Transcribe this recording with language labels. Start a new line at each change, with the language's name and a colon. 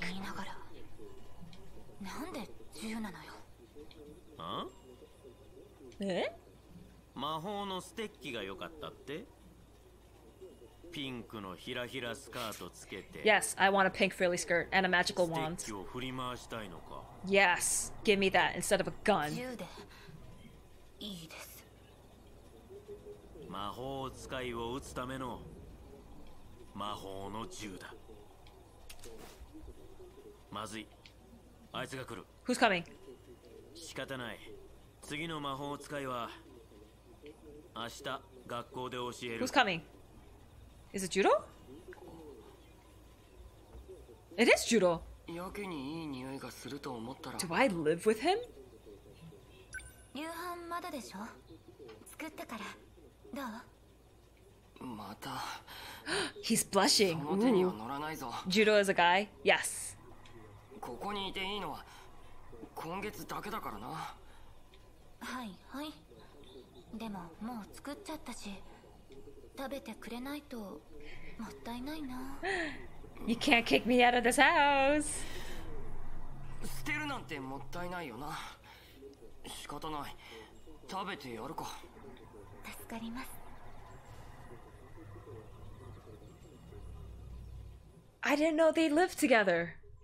Japanese: 言いながら、なんで銃なのよ。え？魔法のステッキが良かったって？ピンクのひらひらスカートつけて。
English: Yes, I want a pink frilly skirt and a magical wand.
Japanese: ステッキを振り回したいのか。
English: Yes, give me that instead of a gun.
Japanese: 銃でいいです。魔法使いを撃つための魔法の銃だ。まずい。あいつが来る。
English: Who's coming?
Japanese: 仕方ない。次の魔法使いは明日学校で教える。
English: Who's coming? Is it Judo? It is Judo.
Japanese: やけにいい匂いがすると思ったら。
English: Do I live with him?
Japanese: 夕飯まだでしょ？作ったからどう？また。
English: He's blushing.
Japanese: その手には乗らないぞ。
English: Judo is a guy. Yes.
Japanese: ここにいていいのは。今月だけだからな。はいはい。でももう作っちゃったし、食べてくれないともったいないな。
English: You can't kick me out of this house.
Japanese: 捨てるなんてもったいないよな。仕方ない。食べてやるか。助かります。
English: I didn't know they live together.